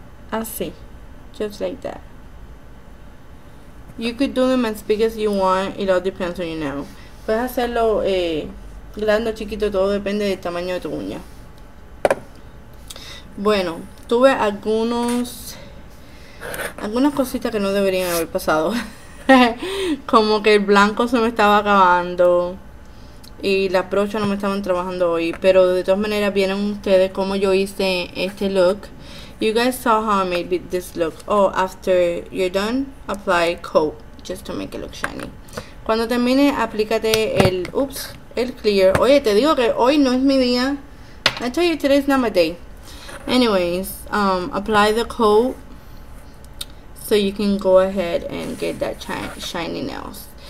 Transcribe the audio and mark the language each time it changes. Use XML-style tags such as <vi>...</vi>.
<es>Así,</es> <en>just like that. You could do them as big as you want, it all depends on your nail.</en> <es>Puedes hacerlo grande o chiquito, todo depende del tamaño de tu uña. Bueno, tuve algunas cositas que no deberían haber pasado. Como que el blanco se me estaba acabando y las brochas no me estaban trabajando hoy. Pero de todas maneras, vieron ustedes cómo yo hice este look.</es> <en>You guys saw how I made this look. Oh, after you're done, apply coat just to make it look shiny.</en> <es>Cuando termine, aplícate el clear. Oye, te digo que hoy no es mi día.</es> <en>I tell you, today's not my day. Anyways, apply the coat so you can go ahead and get that shiny nails.</en>